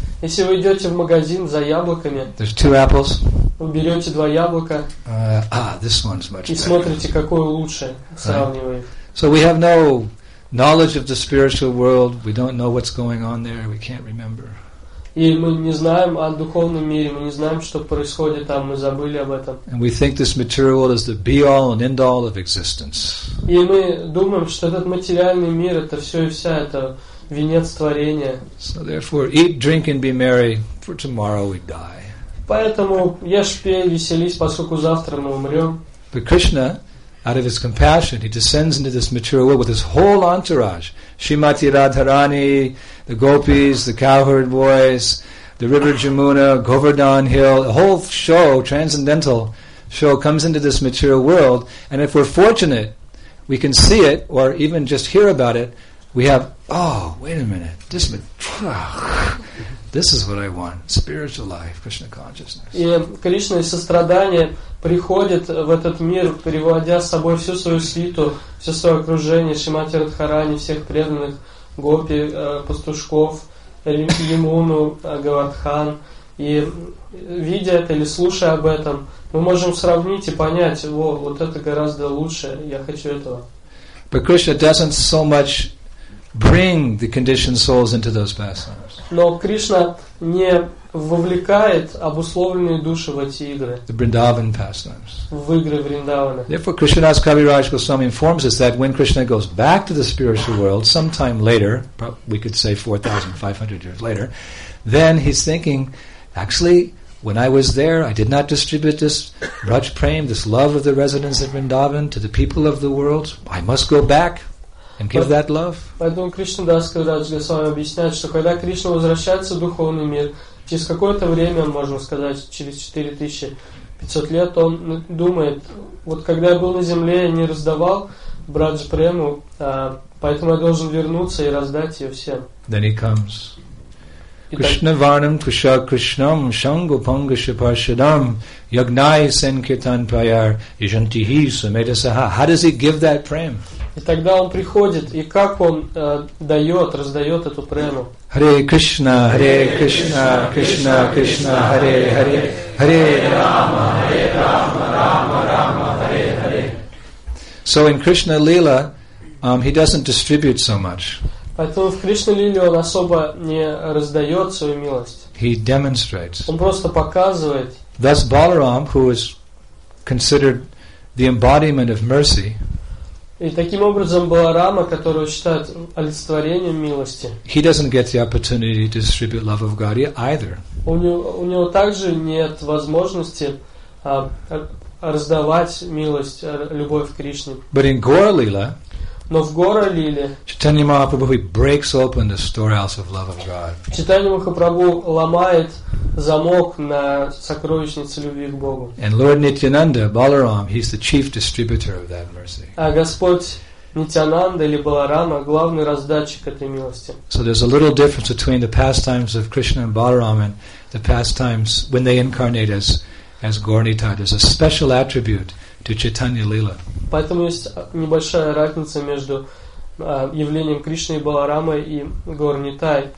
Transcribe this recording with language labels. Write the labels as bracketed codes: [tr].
[ru] если вы идете в магазин за яблоками, [en] there's two apples. [ru] Вы берете два яблока. [en] This one's much better. [ru] И смотрите, какое лучше, сравнивая. [en] So we have no knowledge of the spiritual world, we don't know what's going on there, we can't remember. [ru] И мы не знаем о духовном мире, мы не знаем, что происходит там, мы забыли об этом. [en] And we think this material world is the be-all and end-all of existence. [ru] И мы думаем, что этот материальный мир это все и вся, это венец творения. [en] So therefore, eat, drink and be merry, for tomorrow we die. [ru] Поэтому ешь, пей, веселись, поскольку завтра мы умрем. [en] But Krishna, out of his compassion, he descends into this material world with his whole entourage. Shrimati Radharani, the gopis, the cowherd boys, the river Jamuna, Govardhan Hill, the whole show, transcendental show, comes into this material world. And if we're fortunate, we can see it, or even just hear about it, we have, oh, wait a minute, this material, this is what I want, spiritual life, Krishna consciousness. [ru] И Кришна из сострадания приходит в этот мир, приводя с собой всю свою свиту, все свое окружение, Шримати Радхарани, всех преданных, гопи, пастушков, Ямуну, Говардхан. И видя это или слушая об этом, мы можем сравнить и понять, во, вот это гораздо лучше, я хочу этого. [en] But Krishna doesn't so much bring the conditioned souls into those pastimes. [ru] Но Кришна не вовлекает обусловленные души в эти игры. [en] The Vrindavan pastimes. [ru] В игры Вриндавана. [en] Therefore, Krishnadas Kaviraj Goswami informs us that when Krishna goes back to the spiritual world, sometime later, we could say 4,500 years later, then he's thinking, actually, when I was there, I did not distribute this Raj Prem, this love of the residents of Vrindavan to the people of the world. I must go back and give that love. [ru] Поэтому Кришнадас Кавирадж Госвами объясняет, что когда Кришна возвращается в духовный мир, через какое-то время, можно сказать, через 4500 лет, он думает, вот когда я был на земле, я не раздавал Брадж Прему, поэтому я должен вернуться и раздать ее всем. [en] Then he comes. [sa] Krishna Varnam Kusha Krishnam Shango Panga Shaparshadam Yagnai Senkirtan Prayar Yajantihi Sumedasaha. [en] How does he give that Prem? [ru] И тогда он приходит, и как он дает, раздает эту прему. [sa] Hare Krishna, Hare Krishna, Krishna Krishna, Hare Hare, Hare Rama, Hare Rama, Rama Rama, Hare Hare. [en] So in Krishna Lila, he doesn't distribute so much. [ru] Поэтому в Кришна Лиле он особо не раздает свою милость. [en] He demonstrates. [ru] Он просто показывает. [en] Thus Balaram, who is considered the embodiment of mercy, [ru] и таким образом Баларама, которого считают олицетворением милости, [en] he doesn't get the opportunity to distribute love of God either. [ru] У него также нет возможности раздавать милость, любовь к Кришне. [en] But in Gaura Lila, [ru] но в Гора Лиле, [en] Chaitanya Mahaprabhu breaks open the storehouse of love of God. [ru] Chaitanya Mahaprabhu ломает замок на сокровищнице любви к Богу. [en] And Lord Nityananda, Balaram, he's the chief distributor of that mercy. [ru] А Господь Нитянанда или Баларама главный раздатчик этой милости. [en] So there's a little difference between the pastimes of Krishna and Balaram and the pastimes when they incarnate as Gornita. There's a special attribute to Chaitanya Lila. [ru] Поэтому есть небольшая разница между явлением Кришны и Баларамы и гор Нитай.